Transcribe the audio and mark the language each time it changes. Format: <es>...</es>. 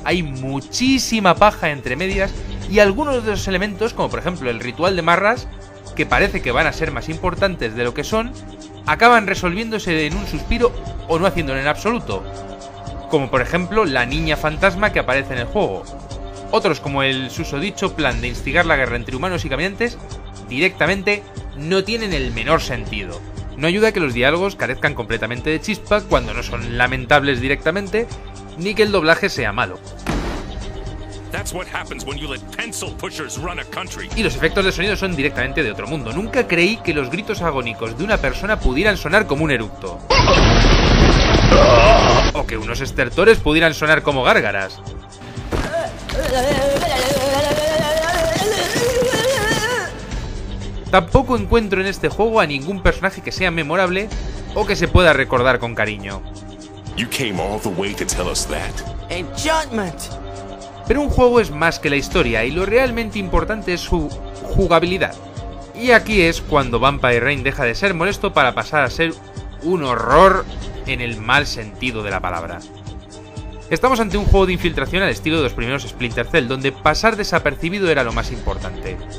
<es>Hay muchísima paja entre medias y algunos de los elementos, como por ejemplo el ritual de Marras, que parece que van a ser más importantes de lo que son, acaban resolviéndose en un suspiro o no haciéndolo en absoluto, como por ejemplo la niña fantasma que aparece en el juego. Otros, como el susodicho plan de instigar la guerra entre humanos y caminantes, directamente no tienen el menor sentido. No ayuda que los diálogos carezcan completamente de chispa cuando no son lamentables directamente, ni que el doblaje sea malo.</es> <en>That's what happens when you let pencil pushers run a country.</en> <es>Y los efectos de sonido son directamente de otro mundo. Nunca creí que los gritos agónicos de una persona pudieran sonar como un eructo. O que unos estertores pudieran sonar como gárgaras. Tampoco encuentro en este juego a ningún personaje que sea memorable o que se pueda recordar con cariño.</es> <en>You came all the way to tell us that. Enchantment.</en> <es>Pero un juego es más que la historia, y lo realmente importante es su jugabilidad. Y aquí es cuando Vampire Rain deja de ser molesto para pasar a ser un horror en el mal sentido de la palabra. Estamos ante un juego de infiltración al estilo de los primeros Splinter Cell, donde pasar desapercibido era lo más importante.</es>